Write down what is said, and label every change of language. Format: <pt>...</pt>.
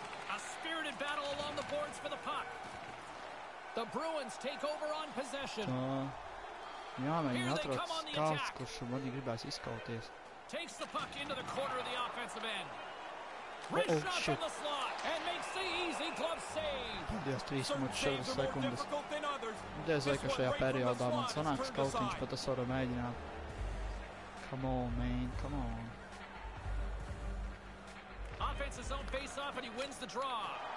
<en>A spirited battle along the boards for the puck. The Bruins take over on possession.</en> <lv>Tā. Jā, mēģina atrast kāds, kurš mani gribēs izkauties.</lv> <en>Takes the puck into the corner of the offensive end. Wrist shot from the slot and makes the easy glove save.</en> <lv>Paldies, 3 minūtes 4 sekundes. Es vēl, ka šajā periodā man sanāks kautiņš, bet es varu mēģināt.</lv> <en>Come on, man, come on. Offensive zone face off and he wins the draw.</en>